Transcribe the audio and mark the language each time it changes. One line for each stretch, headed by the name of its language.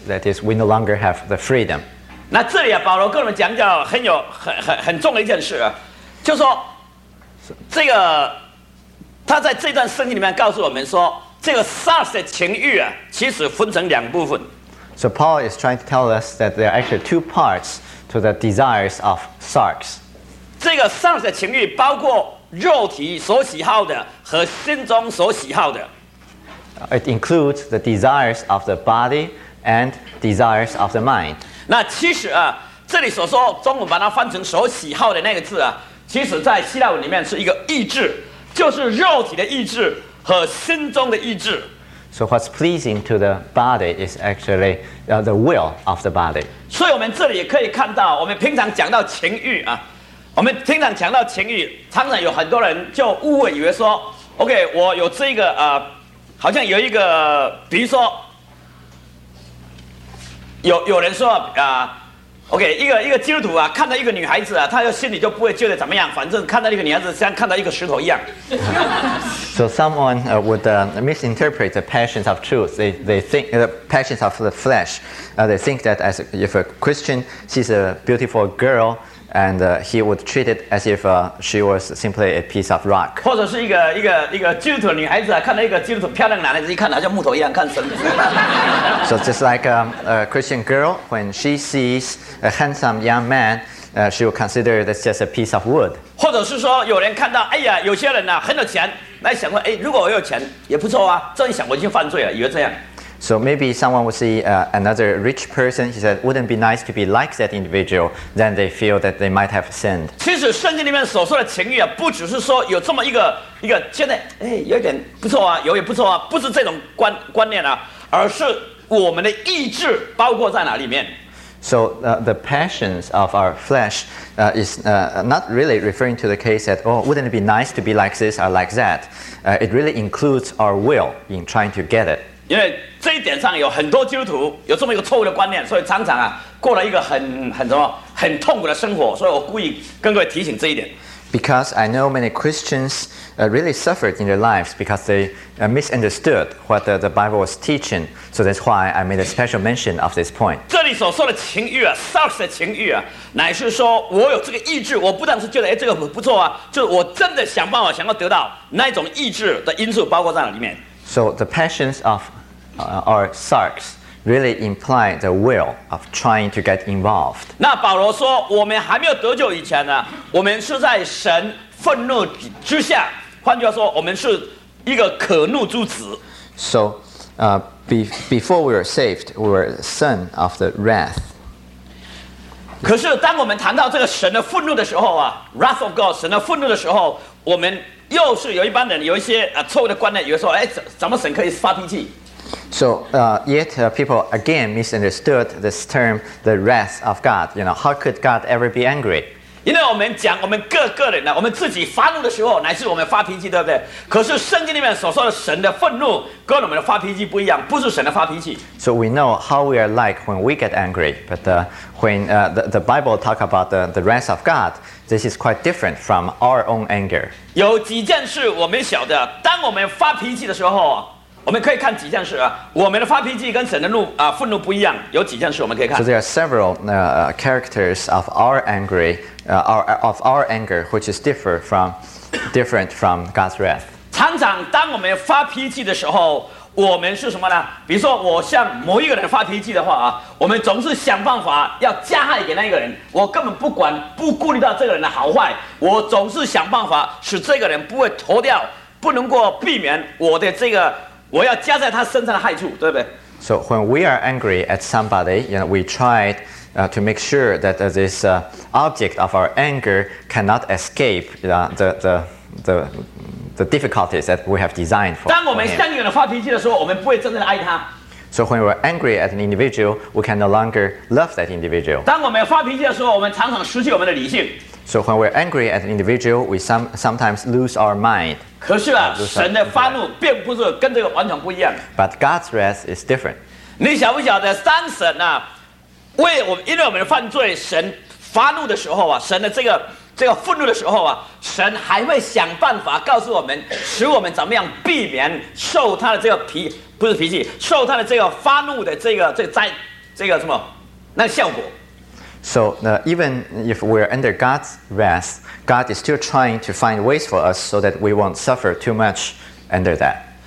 English: That is, we no longer have the freedom.
Chinese: 那这里啊，保罗跟我们讲讲很重的一件事，就说这个他在这段圣经里面告诉我们说，这个 SARS 的情欲啊，其实分成两部分。
English: So Paul is trying to tell us that there are actually two parts to the desires of SARS.
Chinese: 这个 SARS 的情欲包括肉体所喜好的和心中所喜好的。
English: It includes the desires of the body and desires of the mind.
Chinese: 那其实啊，这里所说中文把它翻成所喜好的那个字啊，其实在希腊文里面是一个意志，就是肉体的意志和心中的意志。
English: So what's pleasing to the body is actually the will of the body.
Chinese: 所以我们这里也可以看到，我们平常讲到情欲啊，我们平常讲到情欲，常常有很多人就误会以为说 ，OK， 我有这个好像有一个，比如说。有人说，OK， 一个基督徒啊，看到一个女孩子啊，他就心里就不会觉得怎么样，反正看到一个女孩子像看到一个石头一样。
English: So someone would misinterpret the passions of truth. They think the passions of the flesh. They think that as if a Christian sees a beautiful girl, and he would treat it as if she was simply a piece of rock.
Chinese: 或者是一个基督徒女孩子啊，看到一个基督徒漂亮男孩子，一看他像木头一样，看神。
English: So just like a Christian girl, when she sees a handsome young man, she will consider that's just a piece of wood.
Chinese: 或者是说有人看到，哎呀，有些人呐、啊、很有钱，那想说，哎，如果我有钱也不错啊。这一想我已经犯罪了，以为这样。
English: So maybe someone would see another rich person. He said, "Wouldn't it be nice to be like that individual?" Then they feel that they might have sinned.
Chinese: 其实圣经里面所说的情欲啊，不只是说有这么一个现在有点不错啊，有也不错啊，不是这种观念啊，而是我们的意志包括在哪里面。
English: So the passions of our flesh is not really referring to the case that, oh, wouldn't it be nice to be like this or like that? It really includes our will in trying to get it.
Chinese: 因为这一点上有很多基督徒有这么一个错误的观念，所以常常啊过了一个很什么很痛苦的生活，所以我故意跟各位提醒这一点。
English: Because I know many Christians really suffered in their lives because they misunderstood what the Bible was teaching. So that's why I made a special mention of this point.
Chinese: 这里所说的情欲啊 ，sex 的情欲啊，乃是说我有这个意志，我不但是觉得哎这个不错啊，就是我真的想办法想要得到那种意志的因素包括在里面。
English: So the passions of our sex really imply the will of trying to get involved.
Chinese: 那保罗说，我们还没有得救以前呢，我们是在神愤怒之下。换句话说，我们是一个可怒之子。
English: So, before we were saved, we were son of the wrath.
Chinese: 可是当我们谈到这个神的愤怒的时候啊 ，
English: wrath of God,
Chinese: 神的愤怒的时候，我们又是有一般人有一些错误的观念，以为说，哎，咱们神可以发脾气。
English: So, yet people again misunderstood this term, the wrath of God. You know, how could God ever be angry?
Chinese: 因为我们讲我们各个人呢，我们自己发怒的时候，乃是我们发脾气，对不对？可是圣经里面所说的神的愤怒，跟我们的发脾气不一样，不是神的发脾气。
English: So we know how we are like when we get angry, but when the Bible talk about the wrath of God, this is quite different from our own anger.
Chinese: 有几件事我们晓得，当我们发脾气的时候。我们可以看几件事啊，我们的发脾气跟神的怒啊愤怒不一样，有几件事我们可以看。
English: So there are several characters of our angry, of our anger, which is different from God's wrath.
Chinese: 常常当我们发脾气的时候，我们是什么呢？比如说我向某一个人发脾气的话啊，我们总是想办法要加害给那一个人，我根本不管不顾虑到这个人的好坏，我总是想办法使这个人不会脱掉，不能够避免我的这个。我要加在他身上的害处，对不对
English: ？So when we are angry at somebody, you know, we try to make sure that this object of our anger cannot escape the difficulties that we have designed for.
Chinese: 当我们向一个人发脾气的时候，我们不会真正的爱他。
English: So when we're angry at an individual, we can no longer love that individual.
Chinese: 当我们发脾气的时候，我们常常失去我们的理性。
English: So when we're angry at an individual, we sometimes lose our mind.
Chinese: 可是啊，神的发怒并不是跟这个完全不一样。
English: But God's wrath is different.
Chinese: 你晓不晓得，当神啊，为我们因为我们的犯罪，神发怒的时候啊，神的这个愤怒的时候啊，神还会想办法告诉我们，使我们怎么样避免受他的这个脾不是脾气，受他的这个发怒的这个灾这个什么那个、效果。
English: So even if we're under God's wrath, God is still trying to find ways for us so that we won't suffer too much under that.